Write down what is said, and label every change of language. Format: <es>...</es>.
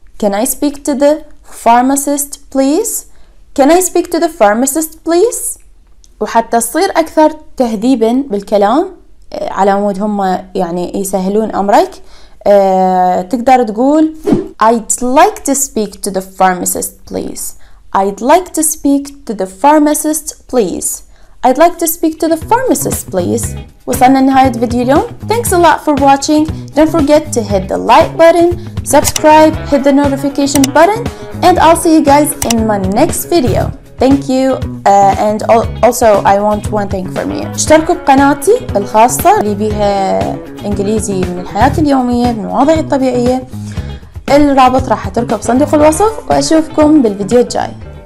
<en>Can I speak to the pharmacist, please? Can I speak to the pharmacist, please?</en> <ar>وحتى تصير أكثر تهذيبا بالكلام على مود هم يعني يسهلون أمرك تقدر تقول</ar> <en>I'd like to speak to the pharmacist, please. I'd like to speak to the pharmacist, please. I'd like to speak to the pharmacist, please.</en> <ar>وصلنا لنهاية فيديو اليوم.</ar> <en>Thanks a lot for watching. Don't forget to hit the like button, subscribe, hit the notification button, and I'll see you guys in my next video. Thank you. And also, I want one thing from you.</en> <ar>اشتركوا بقناتي الخاصة اللي بيها إنجليزي من الحياة اليومية من مواضيع الطبيعية. الرابط راح أتركه بصندوق الوصف وأشوفكم بالفيديو الجاي.</ar>